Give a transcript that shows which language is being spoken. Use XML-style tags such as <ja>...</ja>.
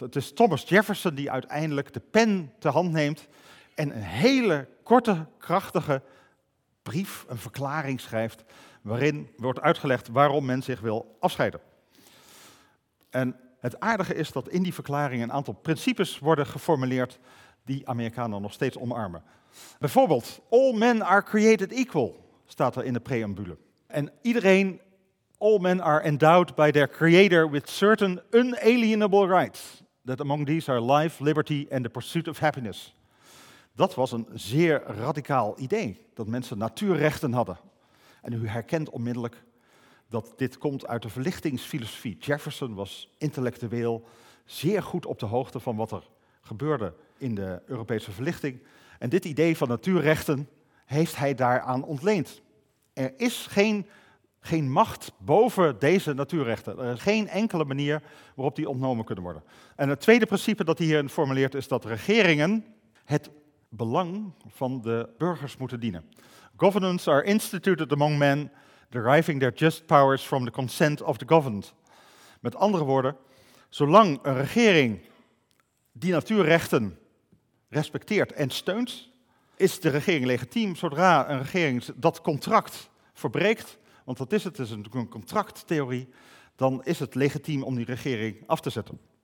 <nl>Het is Thomas Jefferson die uiteindelijk de pen te hand neemt en een hele korte, krachtige brief, een verklaring schrijft waarin wordt uitgelegd waarom men zich wil afscheiden. En het aardige is dat in die verklaring een aantal principes worden geformuleerd die Amerikanen nog steeds omarmen. Bijvoorbeeld,</nl> <en>all men are created equal,</en> <nl>staat er in de preambule. En iedereen,</nl> <en>all men are endowed by their creator with certain unalienable rights, that among these are life, liberty and the pursuit of happiness.</en> <nl>Dat was een zeer radicaal idee, dat mensen natuurrechten hadden. En u herkent onmiddellijk dat dit komt uit de verlichtingsfilosofie. Jefferson was intellectueel zeer goed op de hoogte van wat er gebeurde in de Europese verlichting. En dit idee van natuurrechten heeft hij daaraan ontleend. Er is geen macht boven deze natuurrechten. Er is geen enkele manier waarop die ontnomen kunnen worden. En het tweede principe dat hij hierin formuleert is dat regeringen het belang van de burgers moeten dienen.</nl> <en>Governments are instituted among men, deriving their just powers from the consent of the governed.</en> <nl>Met andere woorden, zolang een regering die natuurrechten respecteert en steunt, is de regering legitiem. Zodra een regering dat contract verbreekt, want dat is het, is natuurlijk een contracttheorie, dan is het legitiem om die regering af te zetten.</nl>